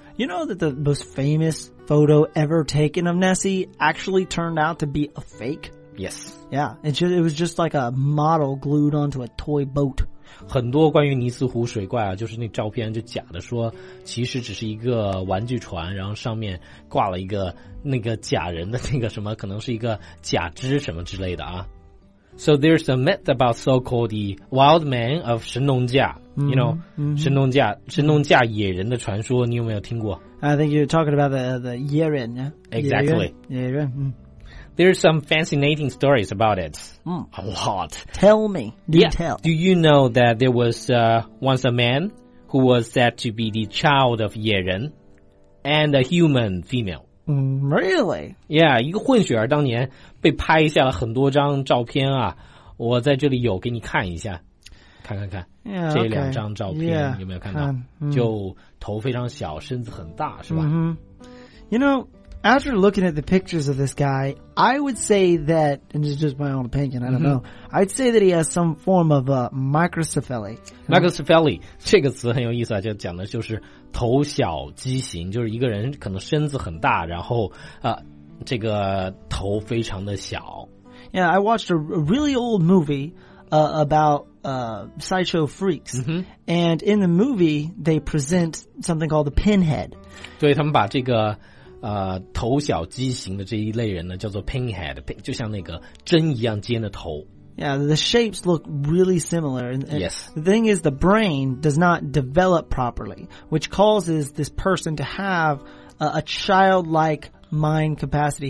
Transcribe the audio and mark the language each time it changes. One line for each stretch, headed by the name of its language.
English: You know that the most famous photo ever taken of Nessie actually turned out to be a fake? Yes. Yeah, it was just like a model glued onto a toy boat.
Chinese: 很多关于尼斯湖水怪啊，就是那照片就假的，说其实只是一个玩具船，然后上面挂了一个那个假人的那个什么，可能是一个假肢什么之类的啊。
English: So there's a myth about so-called the wild man of 神农架 you know,、
Chinese: 神农架野人的传说，你有没有听过？
English: I think you're talking about the 野人、 Exactly.
Chinese: 野人、
English: There's some fascinating stories about it.、A lot. Tell me. Detail.、 Do you know that there was、once a man who was said to be the child of 野人 and a human female? Really?
Chinese: Yeah, 一个混血儿当年被拍下了很多张照片啊，我在这里有给你看一下，看
English: yeah,
Chinese: 这两张照片
English: yeah,
Chinese: 有没有看到、就头非常小，身子很大，是吧、
English: You know, after looking at the pictures of this guy, I would say that, and this is just my own opinion, I don't know, I'd say that he has some form of a microcephaly.
Chinese: Microcephaly, 这个词很有意思啊，就讲的就是头小畸形，就是一个人可能身子很大，然后这个头非常的小。
English: Yeah, I watched a really old movie about sideshow freaks,、and in the movie they present something called the pinhead.
Chinese: 对，他们把这个头小畸形的这一类人呢，叫做 pinhead， 就像那个针一样尖的头。
English: Yeah, the shapes look really similar. Yes. The thing is, the brain does not develop properly, which causes this person to have a childlike mind capacity.